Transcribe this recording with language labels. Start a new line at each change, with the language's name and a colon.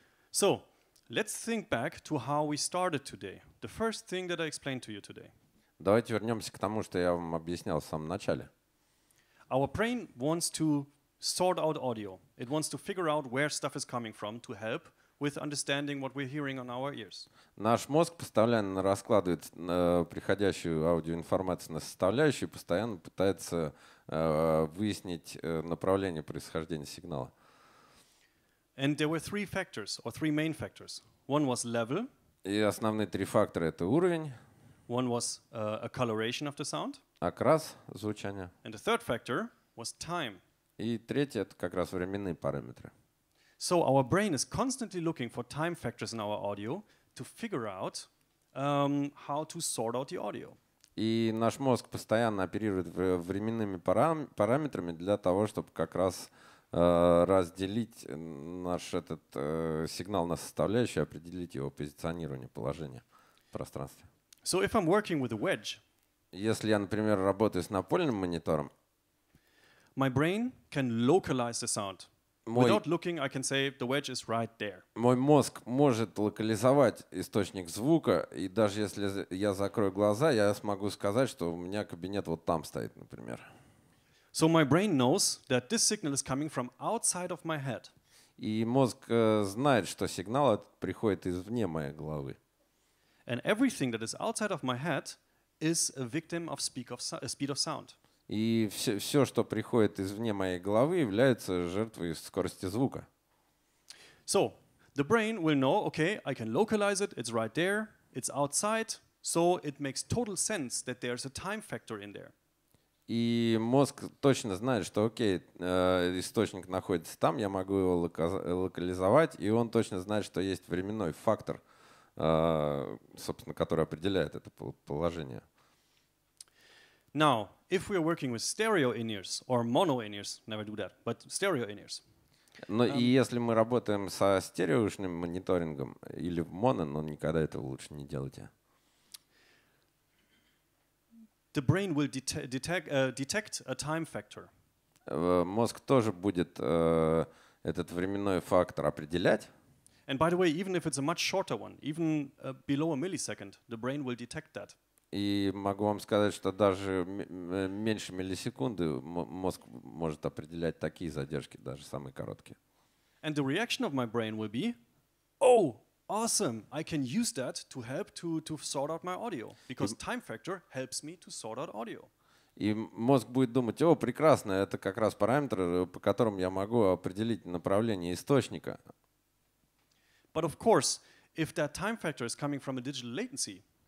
English: So, let's think back to how we started today. The first thing that I explained to you today.
Russian: Давайте вернемся к тому, что я вам объяснял в самом начале.
English: Our brain wants to sort out audio. It wants to figure out where stuff is coming from to help with understanding what we're hearing on our ears.
Russian: Наш мозг постоянно раскладывает приходящую аудиоинформацию на составляющие, постоянно пытается выяснить направление происхождения сигнала.
English: And there were three factors, or three main factors. One was level.
Russian: И основные три фактора — это уровень.
English: One was a coloration of the sound.
Russian: Окрас звучания.
English: And the third factor was time.
Russian: И третий — это как раз временные параметры.
English: So our brain is constantly looking for time factors in our audio to figure out how to sort out the audio.
Russian: И наш мозг постоянно оперирует временными параметрами для того, чтобы как раз разделить наш этот сигнал на составляющие, определить его позиционирование, положение в пространстве.
English: So if I'm working with a wedge,
Russian: если я, например, работаю с напольным монитором,
English: my brain can localize the sound. Without looking, I can say the wedge is right there.
Russian: Мой мозг может локализовать источник звука, и даже если я закрою глаза, я смогу сказать, что у меня кабинет вот там стоит, например.
English: So my brain knows that this signal is coming from outside of my head.
Russian: И мозг знает, что сигнал приходит извне моей головы.
English: And everything that is outside of my head is a victim of speed of sound.
Russian: И все, что приходит извне моей головы, является жертвой скорости звука.
English: So, the brain will know, okay, I can localize it, it's right there, it's outside, so it makes total sense that there's a time factor in there.
Russian: И мозг точно знает, что, окей, источник находится там, я могу его локализовать, и он точно знает, что есть временной фактор, собственно, который определяет это положение.
English: Now, if we are working with stereo in-ears or mono in-ears, never do that, but stereo in-ears.
Russian: Но и если мы работаем со стереоушным мониторингом или в моно, но никогда этого лучше не делайте.
English: The brain will detect a time factor.
Russian: Мозг тоже будет этот временной фактор определять.
English: And by the way, even if it's a much shorter one, even below a millisecond, the brain will detect that.
Russian: И могу вам сказать, что даже меньше миллисекунды мозг может определять такие задержки, даже самые короткие.
English: And the reaction of my brain will be, oh, awesome, I can use that to help to sort out my audio, because time factor helps me to sort out audio.
Russian: И мозг будет думать, о, прекрасно, это как раз параметр, по которому я могу определить направление источника.
English: But of course, if that time factor is coming from a digital latency,